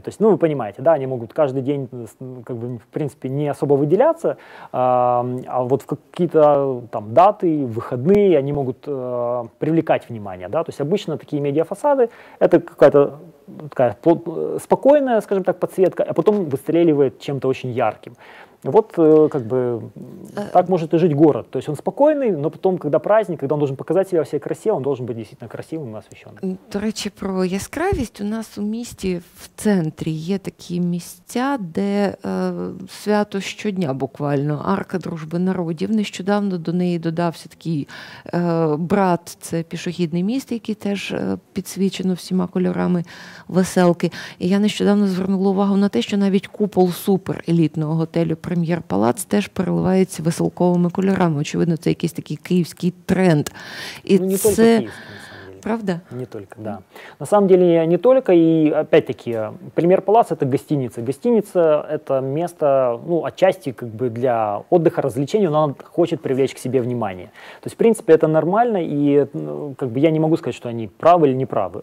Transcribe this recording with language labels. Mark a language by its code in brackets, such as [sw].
[ru] То есть, ну, вы понимаете, да, они могут каждый день, как бы, в принципе, не особо выделяться, а вот в какие-то там даты, выходные они могут привлекать внимание, да, то есть обычно такие медиафасады, это какая-то такая спокойная, скажем так, подсветка, а потом выстреливает чем-то очень ярким. Вот как бы так может и жить город. То есть он спокойный, но потом, когда праздник, когда он должен показать себя всей красе, он должен быть действительно красивым и освещенным. [uk] До речі, про яскравість. У нас у місті в центрі є такі місця, де свято щодня буквально. Арка Дружби Народів. Нещодавно до неї додався такий брат. Це пішохідний міст, який теж підсвічено всіма кольорами веселки. І я нещодавно звернула увагу на те, що навіть купол супер елітного готелю Прем'єр-палац теж переливається веселковими кольорами. Очевидно, це якийсь такий київський тренд. І ну, не це... Правда? [ru] Не только, да. На самом деле не только, и опять-таки Премьер-палац — это гостиница. Гостиница — это место, ну, отчасти как бы для отдыха, развлечений, но она хочет привлечь к себе внимание. То есть, в принципе, это нормально, и как бы я не могу сказать, что они правы или не правы.